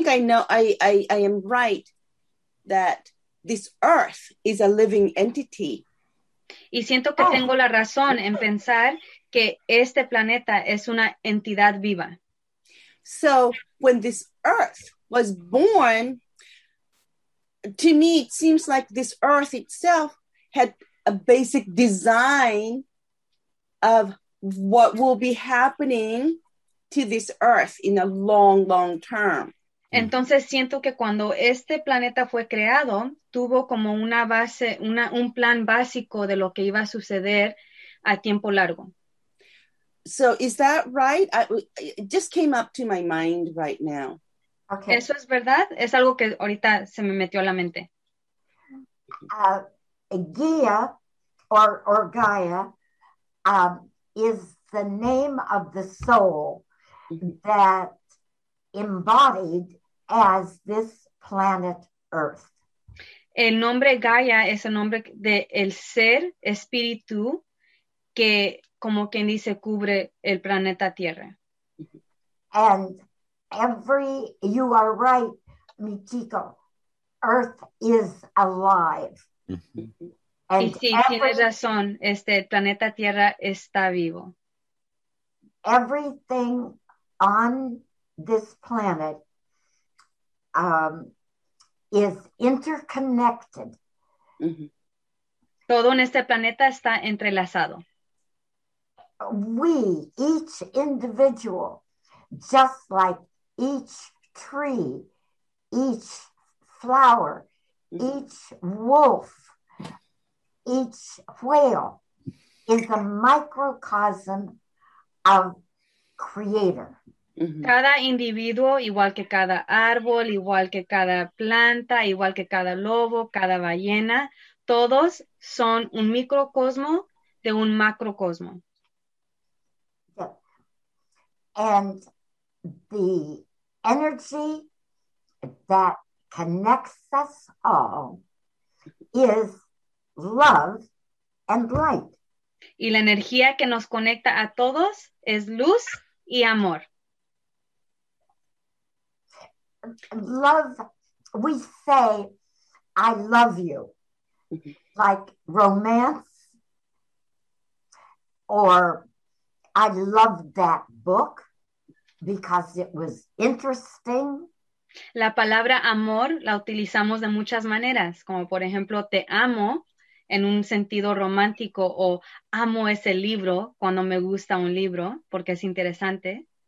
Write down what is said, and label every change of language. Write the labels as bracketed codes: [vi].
[en] And I think I am right that this earth is a living entity. [es] Y siento que tengo la razón en pensar que este planeta es una entidad viva. [en] So, when this earth was born, to me it seems like this earth itself had a basic design of what will be happening to this earth in a long, long term. [es] Entonces siento que cuando este planeta fue creado, tuvo como una base, un plan básico de lo que iba a suceder a tiempo largo. [en] So is that right? It just came up to my mind right now. Okay. [es] Eso es verdad, es algo que ahorita se me metió a la mente. [en] Gaia or Gaia is the name of the soul that embodied as this planet Earth. [es] El nombre Gaia es el nombre de el ser espíritu que, como quien dice, cubre el planeta Tierra. [en] And every, you are right, Michiko, Earth is alive. And [es] sí, tiene razón, el planeta Tierra está vivo. [en] Everything on this planet is interconnected. [es] Todo en este planeta está entrelazado. [en] We, each individual, just like each tree, each flower, each wolf, each whale, is a microcosm of Creator. [es] Cada individuo, igual que cada árbol, igual que cada planta, igual que cada lobo, cada ballena, todos son un microcosmo de un macrocosmo. [en] And the energy that connects us all is love and light. [es] Y la energía que nos conecta a todos es luz y amor. [en] Love, we say, I love you, like romance, or I love that book because it was interesting. [es] La palabra amor la utilizamos de muchas maneras, como por ejemplo, te amo en un sentido romántico, o amo ese libro cuando me gusta un libro porque es interesante.